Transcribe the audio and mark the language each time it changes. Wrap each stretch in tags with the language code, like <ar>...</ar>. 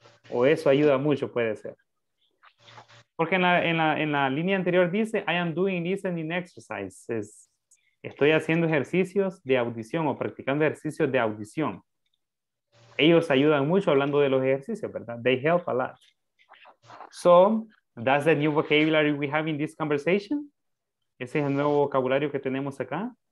<es>O eso ayuda mucho, puede ser. Porque en la línea anterior dice,</es> <en>I am doing listening exercises.</en> <es>Estoy haciendo ejercicios de audición o practicando ejercicios de audición. Ellos ayudan mucho hablando de los ejercicios, ¿verdad?</es> <en>They help a lot. So, that's the new vocabulary we have in this conversation.</en> <es>Ese es el nuevo vocabulario que tenemos acá.</es>